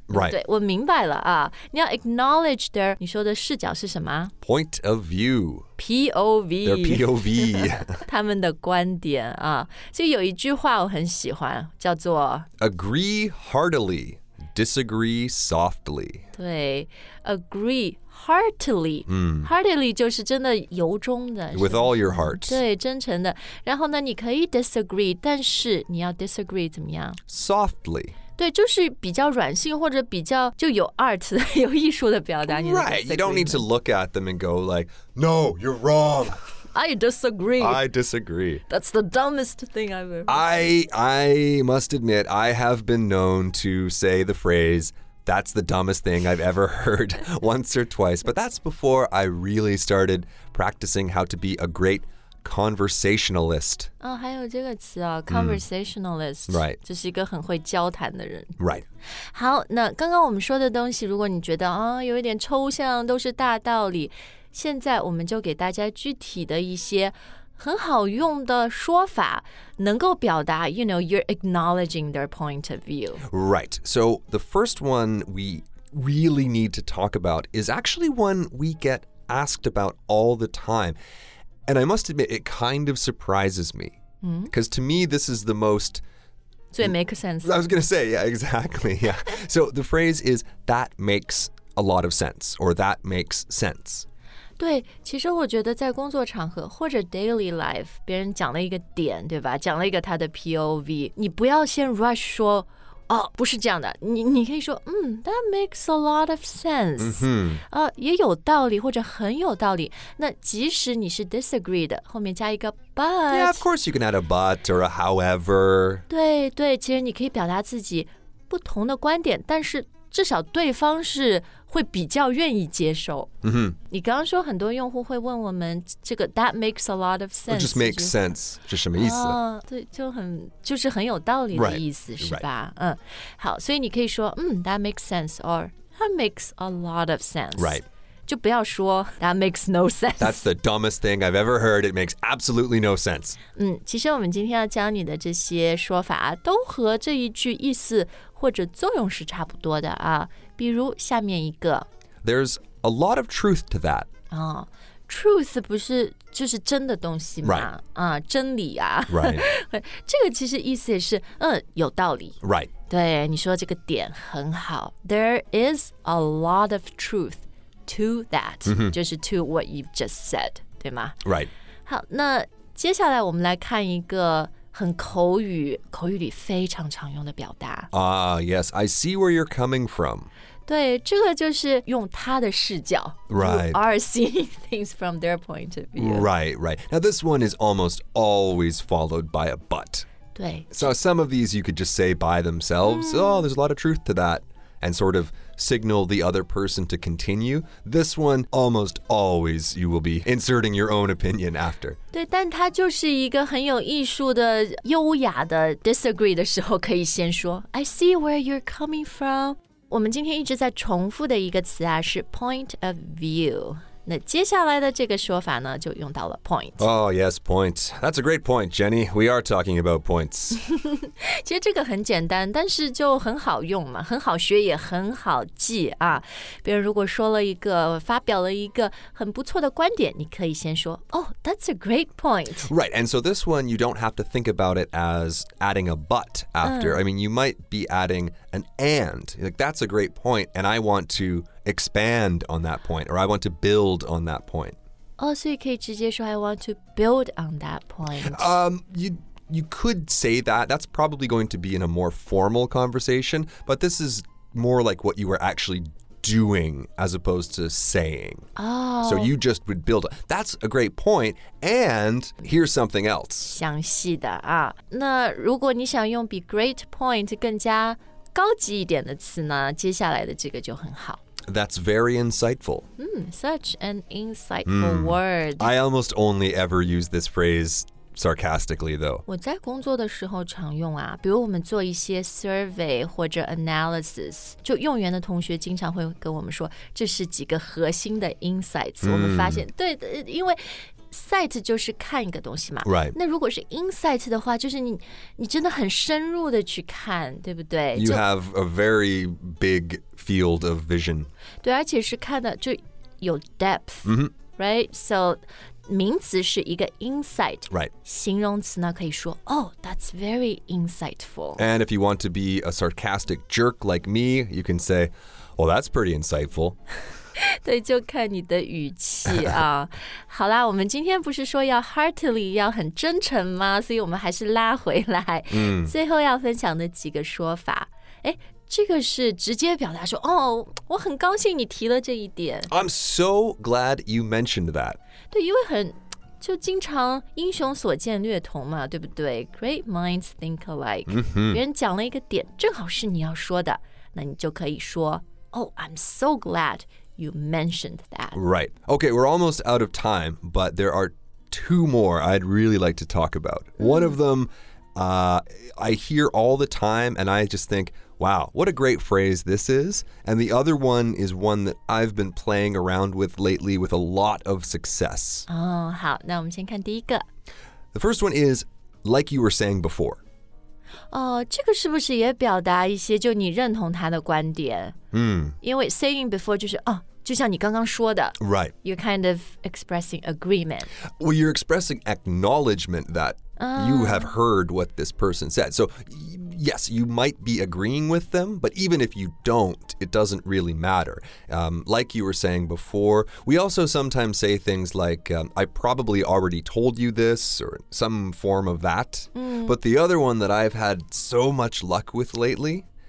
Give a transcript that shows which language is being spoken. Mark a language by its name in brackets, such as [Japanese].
[English] Right. [Chinese] 对，我明白了啊。你要 [English] acknowledge their [Chinese] 你说的视角是什么 [English] ？Point of view. POV. Their POV. [Chinese] 他们的观点啊。所以有一句话我很喜欢，叫做 [English] Agree heartily, disagree softly. 对 ，agree heartily. [Chinese] Heartily 就是真的由衷的。 [English] With all your heart. [Chinese] 对，真诚的。然后呢，你可以 disagree， 但是你要 disagree 怎么样 [English] ？Softly. [Chinese] 对，就是比较软性或者比较就有 art 有艺术的表达。 [English] Right, you don't need to look at them and go like, "No, you're wrong." I disagree. That's the dumbest thing I've ever. I must admit, I have been known to say the phrase. That's the dumbest thing I've ever heard once or twice. But that's before I really started practicing how to be a great conversationalist. [Chinese] 还有这个词啊 conversationalist. [English] Right. [Chinese] 就是一个很会交谈的人。 [English] Right. [Chinese] 好，那刚刚我们说的东西，如果你觉得啊，有一点抽象，都是大道理，现在我们就给大家具体的一些很好用的说法，能够表达 ， [English] you know, you're acknowledging their point of view. Right. So the first one we really need to talk about is actually one we get asked about all the time, and I must admit, it kind of surprises me. Because to me, this is the most. So it makes sense. I was going to say, yeah, exactly. Yeah. So the phrase is that makes a lot of sense, or that makes sense. [Chinese] 对，其实我觉得在工作场合或者 [English] daily life， [Chinese] 别人讲了一个点，对吧？讲了一个他的 POV， 你不要先 rush 说，哦，不是这样的，你可以说，嗯 ， [English] that makes a lot of sense，嗯哼， [Chinese] 也有道理或者很有道理。那即使你是 disagree 的，后面加一个 but。 [English] Yeah, of course you can add a but or a however. [Chinese] 对对，其实你可以表达自己不同的观点，但是至少对方是会比较愿意接受。 Mm-hmm. 你刚刚说很多用户会问我们这个 that makes a lot of sense. [English] Or just makes sense. [Chinese] 这什么意思？对，就是很有道理的意思，是吧？好，所以你可以说 [English] that makes sense or that makes a lot of sense. Right. [Chinese] 就不要说 [English] that makes no sense. That's the dumbest thing I've ever heard. It makes absolutely no sense. [Chinese] 其实我们今天要教你的这些说法都和这一句意思或者作用是差不多的啊，比如下面一个 [English] There's a lot of truth to that. [Chinese] Truth 不是就是真的东西吗？ [English] Right. [Chinese] 真理啊。 [English] Right. [Chinese] 这个其实意思也是有道理。 [English] Right. [Chinese] 对，你说这个点很好。 [English] There is a lot of truth to that.、 Mm-hmm. [Chinese] 就是 [English] to what you've just said, [Chinese] 对吗？ [English] Right. [Chinese] 好，那接下来我们来看一个很口语，口语里非常常用的表达。 [English] Yes, I see where you're coming from. [Chinese] 对，这个就是用他的视角。 [English] Right. You are seeing things from their point of view. Right, right. Now this one is almost always followed by a but. [Chinese] 对。 [English] So some of these you could just say by themselves,、mm. oh, there's a lot of truth to that, and sort of signal the other person to continue. This one, almost always, you will be inserting your own opinion after. [Chinese] 对，但它就是一个很有艺术的、优雅的 disagree 的时候，可以先说 [English] I see where you're coming from. [Chinese] 我们今天一直在重复的一个词啊，是 point of view. 那接下来的这个说法呢，就用到了 point. [English] Oh, yes, point. That's a great point, Jenny. We are talking about points. [Chinese] 其实这个很简单，但是就很好用嘛，很好学也很好记啊。别人如果说了一个，发表了一个很不错的观点，你可以先说 [English] Oh, that's a great point. Right, and so this one, you don't have to think about it as adding a but after. I mean, you might be adding an and. Like, that's a great point, and I want to expand on that point, or I want to build on that point. Oh, so you can [Chinese] 直接说 [English] I want to build on that point. You could say that. That's probably going to be in a more formal conversation, but this is more like what you were actually doing as opposed to saying. Oh. So you just would build. That's a great point. And here's something else. [Chinese] 详细的啊。那如果你想用比 great point 更加高级一点的词呢，接下来的这个就很好。 [English] That's very insightful. Such an insightful word. I almost only ever use this phrase sarcastically, though. [Chinese] 我在工作的时候常用啊，比如我们做一些 survey 或者 analysis， 就用员的同学经常会跟我们说，这是几个核心的 insights。我们发现，对，因为 sight 就是看一个东西嘛。 [English] Right. [Chinese] 那如果是 insight 的话，就是你真的很深入的去看，对不对 [English] ？You have a very big field of vision. [Chinese] 对，而且是看的就有 depth.、 Mm-hmm. [English] Right. So. [Chinese] 名词是一个 insight、 [English] right. [Chinese] 形容词呢可以说 [English] Oh, that's very insightful. And if you want to be a sarcastic jerk like me, you can say, Well, that's pretty insightful. [Chinese] 对，就看你的语气啊。好啦，我们今天不是说要 heartily, 要很真诚吗？所以我们还是拉回来、 mm. 最后要分享的几个说法。诶，这个是直接表达说哦，我很高兴你提了这一点。 [English] I'm so glad you mentioned that. [Chinese] 对，因为很就经常英雄所见略同嘛，对不对 ？ [English] Great minds think alike.、 Mm-hmm. [Chinese] 别人讲了一个点，正好是你要说的，那你就可以说 ， [English] Oh, I'm so glad you mentioned that. Right. Okay, we're almost out of time, but there are two more I'd really like to talk about. One of them, I hear all the time, and I just think. Wow, what a great phrase this is. And the other one is one that I've been playing around with lately with a lot of success. [Chinese] Oh, 好，那我们先看第一个。 [English] The first one is, like you were saying before. [Chinese] 这个是不是也表达一些就你认同他的观点？因为 [English] saying before [Chinese] 就是就像你刚刚说的。 [English] Right. You're kind of expressing agreement. Well, you're expressing acknowledgement that you have heard what this person said. So... Yes, you might be agreeing with them, but even if you don't, it doesn't really matter. Like you were saying before, we also sometimes say things like, I probably already told you this, or some form of that. But the other one that I've had so much luck with lately